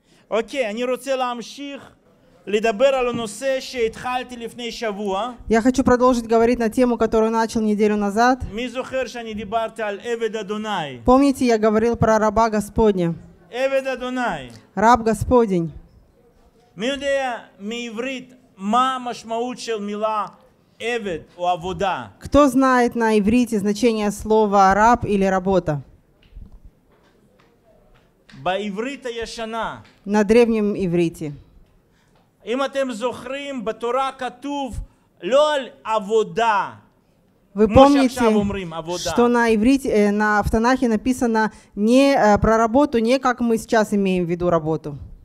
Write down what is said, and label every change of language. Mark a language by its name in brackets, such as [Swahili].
[Hebrew] Окей, אני רוצה להמשיך לדבר על הנושא שהתחלתי לפני שבוע. [Russian] Я хочу продолжить говорить на тему, которую начал неделю назад. [Hebrew] מי זוכר שאני דיברתי על עבד אדוני? [Russian] Помните, я говорил про раба Господня. [Hebrew] עבד אדוני. [Russian] Раб Господень. [Hebrew] מי יודע מעברית מה המשמעות של מילה עבד או עבודה? [Russian] Кто знает на иврите значение слова раб или работа? [Hebrew] בעברית הישנה. [Russian] На древнем иврите. [Hebrew] אם אתם זוכרים, בתורה כתוב לא על עבודה. [Russian] Вы помните, что на иврите, на автонахе написано не про работу, не как мы сейчас имеем в виду работу.